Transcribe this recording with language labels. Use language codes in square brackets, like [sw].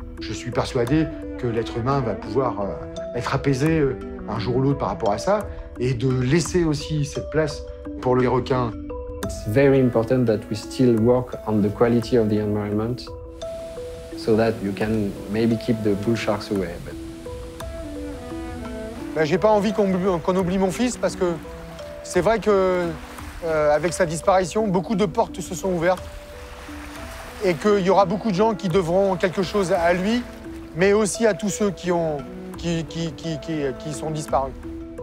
[fr] Je suis persuadé que l'être humain va pouvoir être apaisé un jour ou l'autre par rapport à ça et de laisser aussi cette place pour les requins. [en] It's very important that we still work on the quality of the environment so that you can maybe keep the bull sharks away. But... [fr] Ben, j'ai pas envie qu'on oublie mon fils parce que c'est vrai que avec sa disparition, beaucoup de portes se sont ouvertes. Et qu'il y aura beaucoup de gens qui devront quelque chose à lui, mais aussi à tous ceux qui sont disparus.